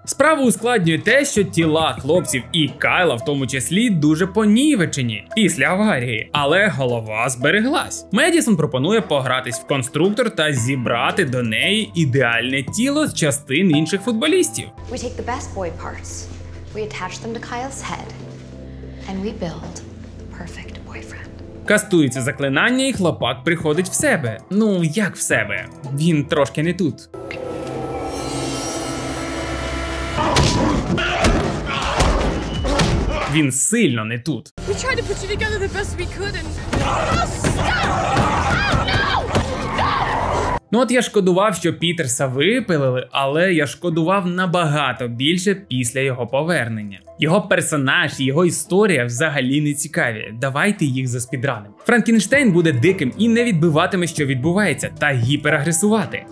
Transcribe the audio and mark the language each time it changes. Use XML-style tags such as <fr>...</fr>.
<uk>Справу ускладнює те, що тіла хлопців і Кайла в тому числі дуже понівечені після аварії, але голова збереглась. Медісон пропонує погратись в конструктор та зібрати до неї ідеальне тіло з частин інших футболістів.</uk> <en>We take the best boy parts. We attach them to Kyle's head and we build the perfect boyfriend.</en> <uk>Кастується заклинання і хлопак приходить в себе. Ну, як в себе? Він трошки не тут. Він сильно не тут.</uk> <en>We tried to put you together the best we could and...</en> <uk>Ну от я шкодував, що Пітерса випилили, але я шкодував набагато більше після його повернення. Його персонаж і його історія взагалі не цікаві. Давайте їх заспідранимо. Франкенштейн буде диким і не відбиватиме, що відбувається, та гіперагресувати.</uk>